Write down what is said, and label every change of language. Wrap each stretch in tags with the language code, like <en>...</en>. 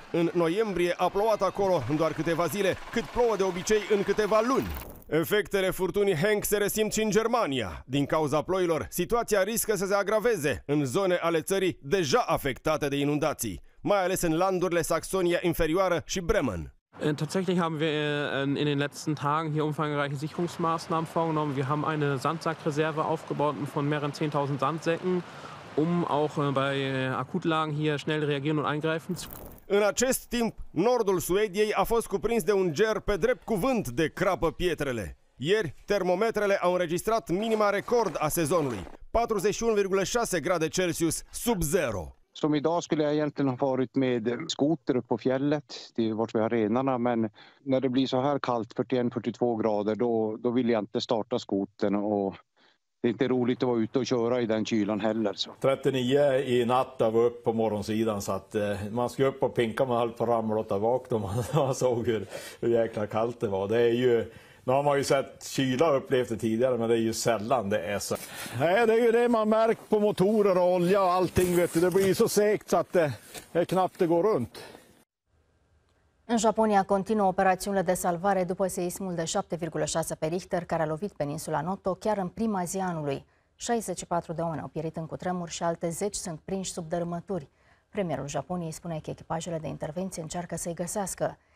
<ro>În noiembrie a plouat acolo în doar câteva zile, cât plouă de obicei în câteva luni. Efectele furtunii Hank se resimt și în Germania. Din cauza ploilor, situația riscă să se agraveze în zone ale țării deja afectate de inundații, mai ales în landurile Saxonia Inferioară și Bremen.</ro> <de>Tatsächlich haben wir in den letzten Tagen hier umfangreiche Sicherungsmaßnahmen vorgenommen. Wir haben eine Sandsackreserve aufgebaut von mehreren 10.000 Sandsäcken, um auch bei Akutlagen hier schnell reagieren und eingreifen zu können.</de> <ro>În acest timp, nordul Suediei a fost cuprins de un ger pe drept cuvânt de crapă pietrele. Ieri, termometrele au înregistrat minima record a sezonului, 41,6 grade Celsius sub zero.</ro> <sv>Som idag skulle jag egentligen ha varit med skoter upp på fjället, det är vart vi har renarna, men när det blir så här kallt, 41-42 grader, då vill jag inte starta skoten och det är inte roligt att vara ute och köra i den kylan heller. Så. 39 i natt var upp på morgonsidan, så att man ska upp och pinka, man höll på att ramla åt bak då man såg hur jäkla kallt det var. Det är ju... Nu har man ju sett kyla och upplevt det tidigare, men det är ju sällan det är så. Nej, det är ju det man märker på motorer och olja och allting, vet du. Det blir så segt så att det knappt det går runt.</sv> <ro>În Japonia continuă operațiunile de salvare după seismul de 7,6 pe Richter care a lovit peninsula Noto chiar în prima zi anului. 64 de oameni au pierit în cutremur și alte 10 sunt prinși sub dărâmături. Premierul Japoniei spune că echipajele de intervenție încearcă să-i găsească.</ro>